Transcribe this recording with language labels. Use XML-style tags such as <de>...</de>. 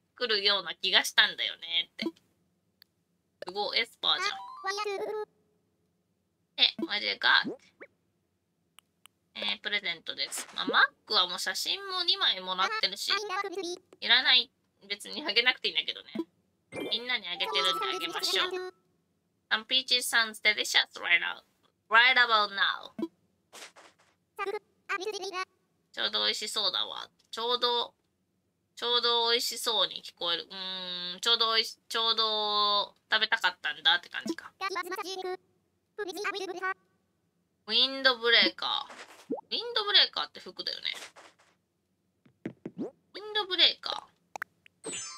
<ja>来るような気がしたんだよねって。すごい、エスパーじゃん。</ja> <en>What you got?</en> <ja>プレゼントです。まあ、Mark はもう写真も2枚もらってるし、いらない。別にあげなくていいんだけどね。みんなにあげてるんであげましょう。</ja> <en>Some peaches sounds delicious right now. Right about now.</en> <ja>ちょうど美味しそうだわ。ちょうど美味しそうに聞こえる。うーん、ちょうど食べたかったんだって感じか。ウィンドブレーカー。ウィンドブレーカーって服だよね。ウィンドブレーカー。</ja>